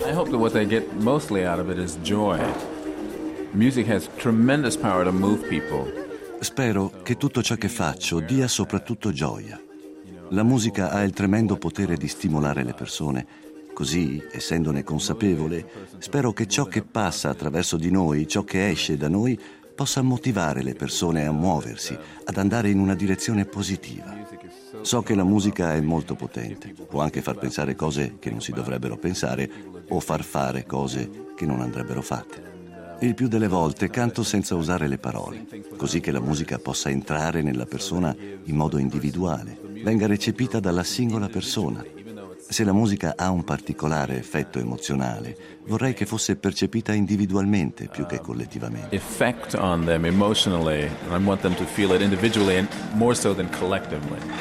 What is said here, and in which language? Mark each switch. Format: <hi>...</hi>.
<en>What they get mostly out of it is joy. Music has tremendous power to move people.</en> <it>Spero che tutto ciò che faccio dia soprattutto gioia. La musica ha il tremendo potere di stimolare le persone. Così, essendone consapevole, spero che ciò che passa attraverso di noi, ciò che esce da noi, possa motivare le persone a muoversi, ad andare in una direzione positiva. So che la musica è molto potente, può anche far pensare cose che non si dovrebbero pensare o far fare cose che non andrebbero fatte. Il più delle volte canto senza usare le parole, così che la musica possa entrare nella persona in modo individuale, venga recepita dalla singola persona. Se la musica ha un particolare effetto emozionale, vorrei che fosse percepita individualmente più che collettivamente.</it> <en>Effect on them emotionally, and I want them to feel it individually and more so than collectively.</en>